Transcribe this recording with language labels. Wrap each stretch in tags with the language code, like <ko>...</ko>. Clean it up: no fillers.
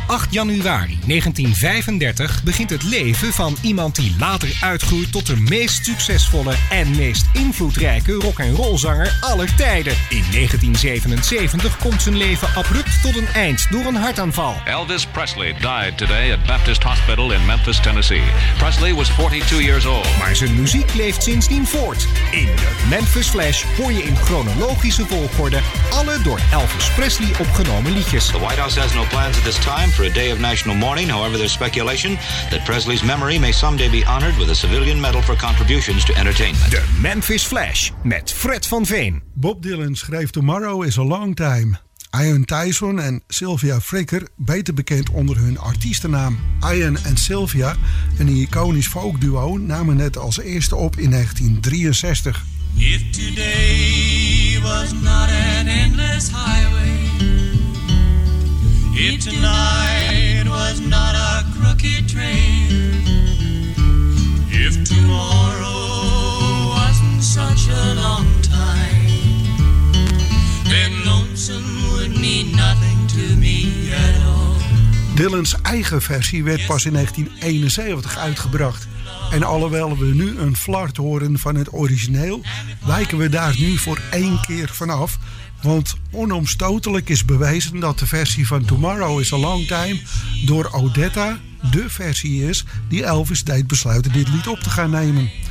<nl>januari 1935 begint het leven van iemand die later uitgroeit tot de meest succesvolle en meest invloedrijke rock en rollzanger aller tijden. In 1977 komt zijn leven abrupt tot een eind door een hartaanval.</nl> <en>Elvis Presley died today at Baptist Hospital in Memphis, Tennessee. Presley was 42 years old.</en> <nl>Maar zijn muziek leeft sindsdien voort. In de Memphis Flash hoor je in chronologische volgorde alle door Elvis Presley opgenomen liedjes.</nl> <en>The White House has no plans at this time for a day of national mourning. However, there's speculation that Presley's memory may someday be honored with a civilian medal for contributions to entertainment.</en> <nl>De Memphis Flash met Fred van Veen. Bob Dylan schreef Tomorrow is a Long Time. Ian Tyson en Sylvia Fricker, beter bekend onder hun artiestennaam Ian en Sylvia, een iconisch folkduo, namen het als eerste op in 1963.</nl> <en>If today was not an endless highway, if tonight was not a crooked train, if tomorrow wasn't such a long time, then lonesome would mean nothing to me at all.</en> <nl>Dylan's eigen versie werd pas in 1971 uitgebracht. En alhoewel we nu een flart horen van het origineel, wijken we daar nu voor één keer vanaf. Want onomstotelijk is bewezen dat de versie van Tomorrow is a Long Time door Odetta de versie is die Elvis deed besluiten dit lied op te gaan nemen.</nl>